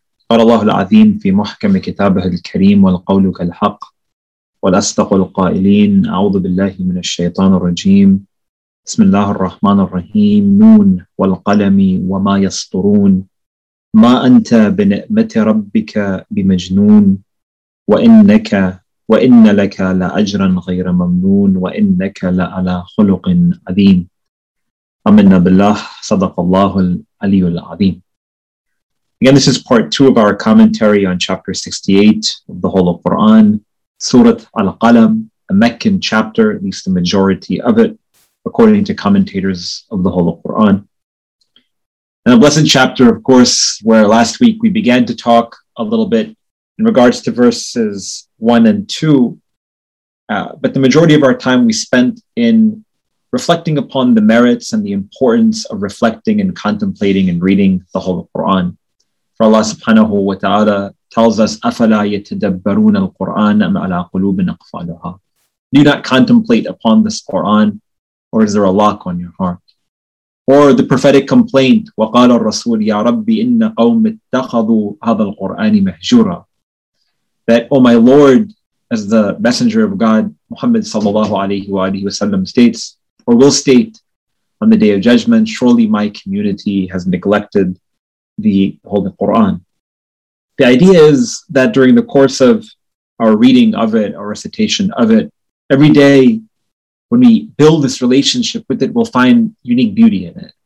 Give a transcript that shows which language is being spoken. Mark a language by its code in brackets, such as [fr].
[ar] قال الله العظيم في محكم كتابه الكريم والقول كالحق والأصدق القائلين أعوذ بالله من الشيطان الرجيم بسم الله الرحمن الرحيم نون والقلم وما يسطرون ما أنت بنعمة ربك بمجنون وإن لك لأجرا غير ممنون وإنك لعلى خلق عظيم أمنا بالله صدق الله العلي العظيم. [en] Again, this is part two of our commentary on chapter 68 of the whole of Quran, Surah Al-Qalam, a Meccan chapter, at least the majority of it, according to commentators of the whole of Quran. And a blessed chapter, of course, where last week we began to talk a little bit in regards to verses 1 and 2. But the majority of our time we spent in reflecting upon the merits and the importance of reflecting and contemplating and reading the whole of Quran. For Allah subhanahu wa ta'ala tells us, [ar] أَفَلَا يَتَدَبَّرُونَ الْقُرْآنَ أَمْ عَلَىٰ قُلُوبٍ أَقْفَالُهَا. [en] Do not contemplate upon this Quran, or is there a lock on your heart? Or the prophetic complaint, [ar] وَقَالَ الرَّسُولُ يَا رَبِّ إِنَّ قَوْمِ اتَّخَذُوا هَذَا الْقُرْآنِ مَهْجُورًا. [en] That, O my Lord, as the Messenger of God, Muhammad sallallahu alayhi wa alayhi wa sallam states, or will state on the Day of Judgment, surely my community has neglected the Holy Quran. The idea is that during the course of our reading of it, our recitation of it, every day when we build this relationship with it, we'll find unique beauty in it.